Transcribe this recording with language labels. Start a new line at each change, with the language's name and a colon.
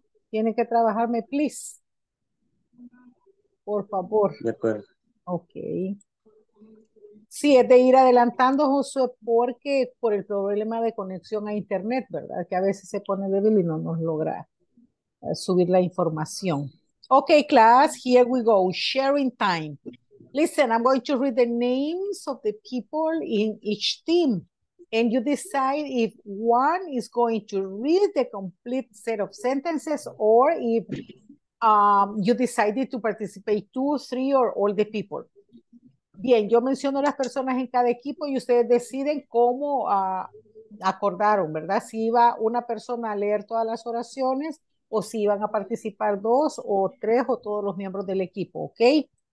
Spanish: Tiene que trabajarme, please. Por favor. De acuerdo. Ok. Sí, es de ir adelantando, Josué, porque por el problema de conexión a internet, ¿verdad? Que a veces se pone débil y no nos logra subir la información.
English: Ok, class, here we go. Sharing time. Listen, I'm going to read the names of the people in each team. And you decide if one is going to read the complete set of sentences or if you decided to participate two, three, or all the people.
Spanish: Bien, yo menciono las personas en cada equipo y ustedes deciden cómo acordaron, ¿verdad? Si iba una persona a leer todas las oraciones o si iban a participar dos o tres o todos los miembros del equipo, ¿ok?